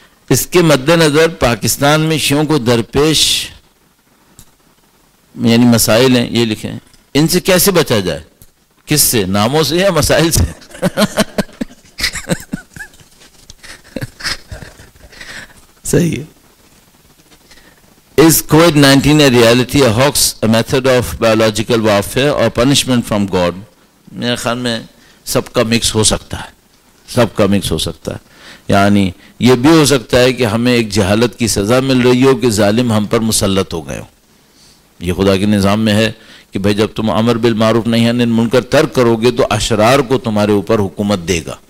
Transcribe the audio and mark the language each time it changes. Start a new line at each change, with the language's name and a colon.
Urdu: اس کے مد نظر پاکستان میں شیعوں کو درپیش یعنی مسائل ہیں, یہ لکھے ہیں. ان سے کیسے بچا جائے؟ کس سے, ناموں سے یا مسائل سے؟ صحیح ہے.
English: Is COVID-19 a reality, a hoax, a method of biological warfare or punishment from God?
Urdu: میرے خیال میں سب کا مکس ہو سکتا ہے, سب کا مکس ہو سکتا ہے. یعنی یہ بھی ہو سکتا ہے کہ ہمیں ایک جہالت کی سزا مل رہی ہو کہ ظالم ہم پر مسلط ہو گئے ہو. یہ خدا کے نظام میں ہے کہ بھائی جب تم امر بالمعروف نہیں ہے نن منکر ترک کرو گے تو اشرار کو تمہارے اوپر حکومت دے گا.